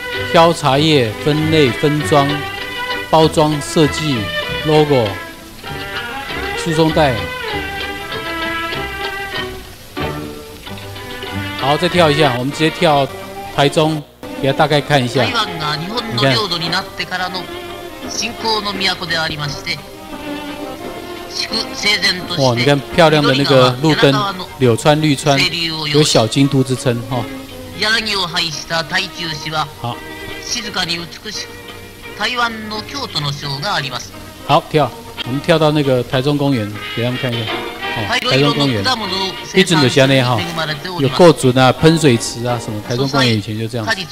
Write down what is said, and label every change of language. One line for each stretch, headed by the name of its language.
Chinese: 挑茶叶、分类、分装、包装设计、logo、输送带，好，再跳一下，我们直接跳台中，给他大概看一下。
Japanese: 台湾が日本の領土になってからの新興の都でありまして、築整然として。
Chinese: 哇，你看漂亮的那个路灯，柳川绿川，有小京都之称哈。
Japanese: 柳を配した台中市は。
Chinese: 好。
Japanese: 静かに美しく台湾の京都の城があります。
Chinese: 好，跳，我们跳到那个台中公园给他们看一下、哦、台中公园一直都是这样、哦、有构筑啊喷水池啊什么，台中公园以前就这样。